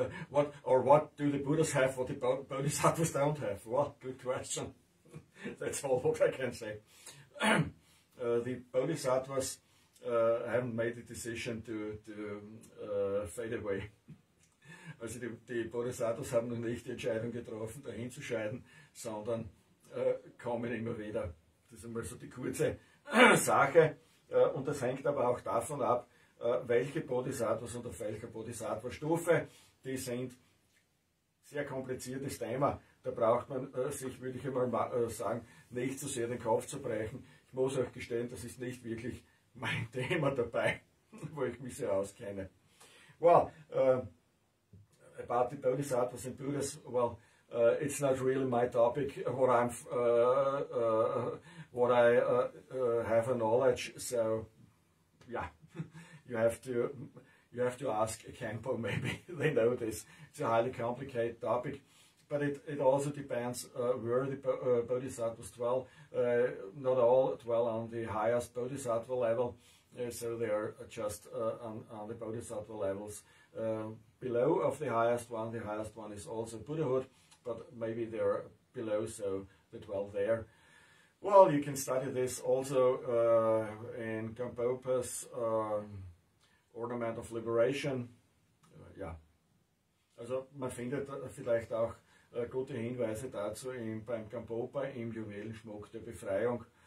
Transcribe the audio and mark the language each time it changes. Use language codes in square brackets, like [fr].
[en] what do the Buddhas have what the Bodhisattvas don't have? What? Good question. That's all what I can say. The Bodhisattvas haven't made the decision to fade away. [de] Also die Bodhisattvas haben noch nicht die Entscheidung getroffen, dahin zu scheiden, sondern kommen immer wieder. Das ist einmal so die kurze Sache. Und das hängt aber auch davon ab, welche Bodhisattvas und auf welcher Bodhisattva-Stufe. Die sind sehr kompliziertes Thema. Da braucht man sich, würde ich einmal sagen, nicht so sehr den Kopf zu brechen. Ich muss euch gestehen, das ist nicht wirklich mein Thema dabei, wo ich mich sehr auskenne. [en] Well, about the Bodhisattvas and Buddhas, well, it's not really my topic, what I have a knowledge, so, yeah, you have to ask a Kenpo, maybe they know this. It's a highly complicated topic. But it also depends where the Bodhisattvas dwell. Not all dwell on the highest Bodhisattva level, so they are just on the Bodhisattva levels. Below of the highest one is also Buddhahood, but maybe they are below, so they dwell there. Well, you can study this also in Kampopa's Ornament of Liberation. [de] Also man findet vielleicht auch gute Hinweise dazu beim Kampopa im Juwelenschmuck der Befreiung.